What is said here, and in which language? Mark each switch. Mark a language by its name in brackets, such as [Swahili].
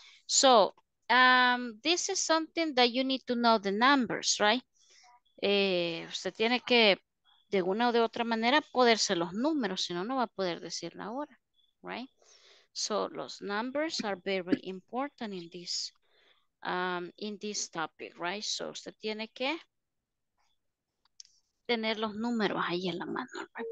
[English] So, this is something that you need to know the numbers, right? [Spanish] Usted tiene que, de una o de otra manera, poderse los números, si no, no va a poder decir la hora, right? [English] So, los numbers are very important in this topic, right? [Spanish] So, usted tiene que tener los números ahí en la mano, right?